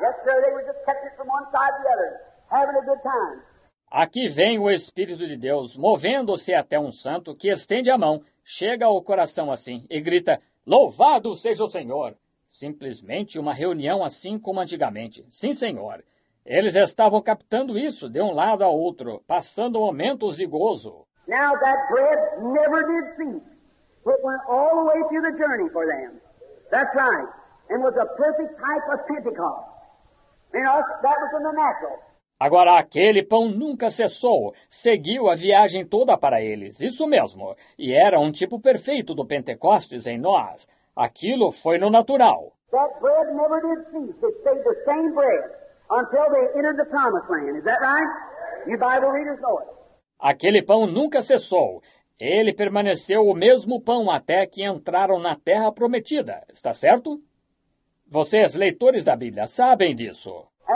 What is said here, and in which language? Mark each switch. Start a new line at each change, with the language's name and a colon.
English: Yes, sir, they were just catching from one side to the other, having a good time.
Portuguese: Aqui vem o Espírito de Deus, movendo-se até um santo que estende a mão, chega ao coração assim e grita, louvado seja o Senhor! Simplesmente uma reunião assim como antigamente. Sim, Senhor. Eles estavam captando isso de um lado ao outro, passando momentos de gozo.
English: Now that bread never did cease. It went all the way through the journey for them. That's right. And was a perfect type of Pentecost. You know, that was in the natural.
Portuguese: Agora, aquele pão nunca cessou, seguiu a viagem toda para eles, isso mesmo, e era um tipo perfeito do Pentecostes em nós. Aquilo foi no natural.
English: That bread never did cease. It stayed the same bread until they entered the promised land. Is that right? You Bible readers know it.
Portuguese: Aquele pão nunca cessou. Ele permaneceu o mesmo pão até que entraram na terra prometida, está certo? Vocês, leitores da Bíblia, sabem disso.